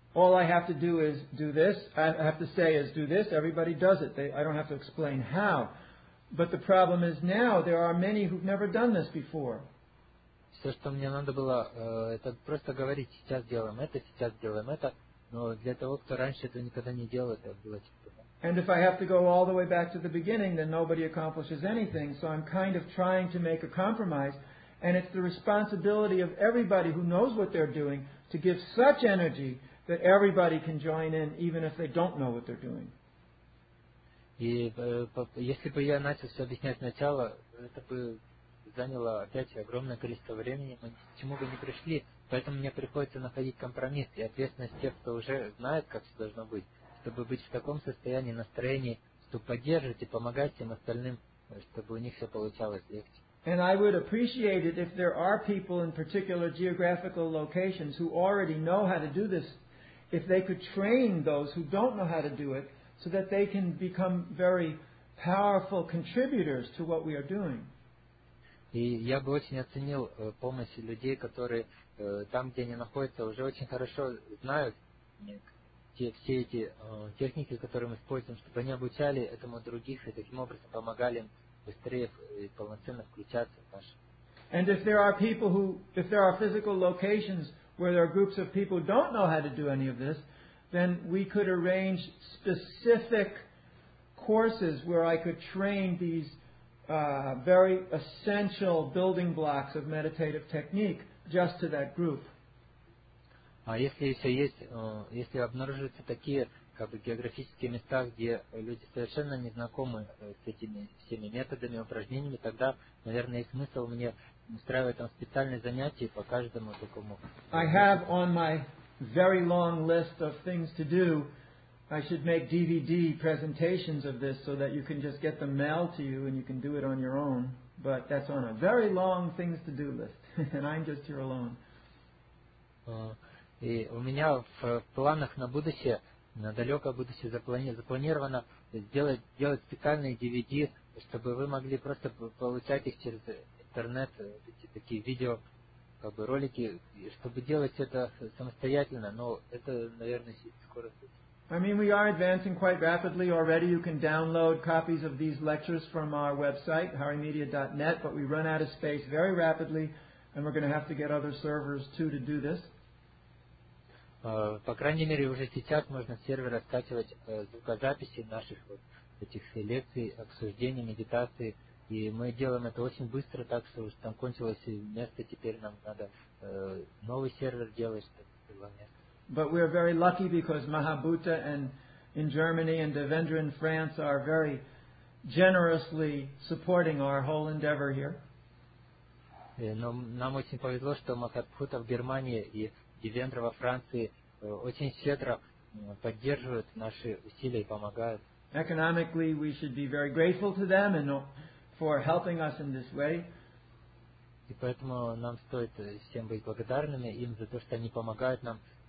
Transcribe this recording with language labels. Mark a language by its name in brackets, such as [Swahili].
[English] All I have to do is do this. I have to say is do this. Everybody does it. I don't have to explain how. But the problem is now there are many who've never done this before. [Russian] Все, что мне надо было, это просто говорить, сейчас делаем это, но для того, кто раньше этого никогда не делал, это было тяжело. [English] And if I have to go all the way back to the beginning, then nobody accomplishes anything. So I'm kind of trying to make a compromise. And it's the responsibility of everybody who knows what they're doing to give such energy that everybody can join in, even if they don't know what they're doing. [Russian] И если бы я начал все объяснять сначала, это бы заняло опять огромное количество времени, мы к чему бы не пришли. Поэтому мне приходится находить компромисс и ответственность тех, кто уже знает, как все должно быть, чтобы быть в таком состоянии, настроении, чтобы поддерживать и помогать всем остальным, чтобы у них все получалось легче. [English] And I would appreciate it if there are people in particular geographical locations who already know how to do this, if they could train those who don't know how to do it, so that they can become very powerful contributors to what we are doing. [Russian] И я бы очень оценил помощь людей, которые там, где они находятся, уже очень хорошо знают все эти техники, которые мы используем, чтобы они обучали этому других и таким образом помогали им быстрее и полноценно включаться в наш. [English] And if there are people who, if there are physical locations where there are groups of people who don't know how to do any of this, then we could arrange specific courses where I could train these very essential building blocks of meditative technique just to that group. [Russian] А если еще есть, если обнаруживаются такие как бы географические места, где люди совершенно не знакомы с этими всеми методами, упражнениями, тогда, наверное, есть смысл мне устраивать там специальные занятия по каждому такому. [English] I have on my very long list of things to do, I should make DVD presentations of this so that you can just get them mailed to you and you can do it on your own. But that's on a very long things to do list, and I'm just here alone. [Russian] И у меня в планах на будущее, на далекое будущее запланировано делать специальные DVD, чтобы вы могли просто получать их через интернет, эти такие видео, как бы ролики, чтобы делать это самостоятельно, но это, наверное, скоро будет. [English] I mean, we are advancing quite rapidly already. You can download copies of these lectures from our website, harimedia.net, but we run out of space very rapidly, and we're going to have to get other servers, too, to do this. [Russian] По крайней мере, уже сейчас можно серверы скачивать звукозаписи наших вот этих лекций, обсуждений, медитации, и мы делаем это очень быстро, так что уже там кончилось место, теперь нам надо новый сервер делать, чтобы было место. [English] But we are very lucky because Mahabhuta and in Germany and Devendra in France are very generously supporting our whole endeavor here. [Russian] Но нам очень повезло, что Mahabhuta в Германии и Девендра во Франции очень щедро поддерживают наши усилия и помогают. [English] Economically, we should be very grateful to them and for helping us in this way. [Russian] И поэтому нам стоит всем быть благодарными им за то, что они помогают нам.